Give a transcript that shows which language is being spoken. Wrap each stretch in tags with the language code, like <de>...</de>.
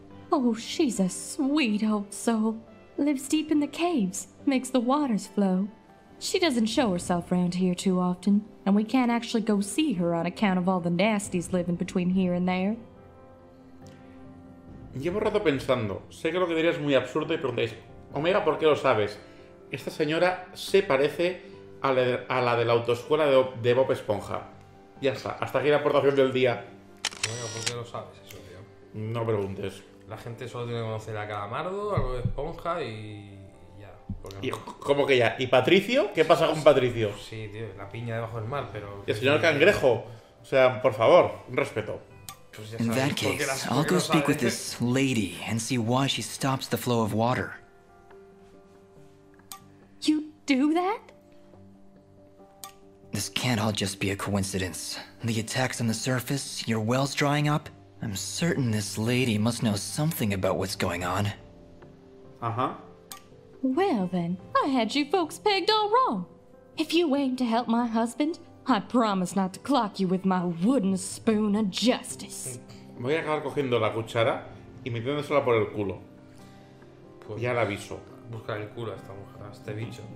<en>Oh, she's a sweet old soul. Lives deep in the caves, makes the waters flow. She doesn't show herself around here too often, and we can't actually go see her on account of all the nasties living between here and there.</en> <es>Llevo un rato pensando. Sé que lo que diría es muy absurdo y preguntáis, Omega, ¿por qué lo sabes? Esta señora se parece a la de la autoescuela de Bob Esponja. Ya está, hasta aquí la aportación del día. Omega, ¿por qué lo sabes eso, tío? No preguntes. La gente solo tiene que conocer a Calamardo, a Bob Esponja y... ¿Y cómo que ya? ¿Y Patricio? ¿Qué pasa con Patricio? Sí, tío, la piña debajo del mar, pero... ¿Y el señor Cangrejo? O sea, por favor, un respeto. En ese caso, voy a hablar con esta señora y ver por qué se detiene el flujo de agua. ¿Tú haces eso? Esto no puede ser una coincidencia. Los ataques en la superficie, tus cuevas</es> <en>drying up.</en> <es>Estoy seguro que esta señora debe saber algo sobre lo que está pasando. Ajá.</es> <en>Well then, I had you folks pegged all wrong. If you aim to help my husband, I promise not to clock you with my wooden spoon of justice.</en> <es>Voy a acabar cogiendo la cuchara y metiéndosela por el culo. Pues ya la aviso. Buscar el culo a esta mujer, a este bicho.</es>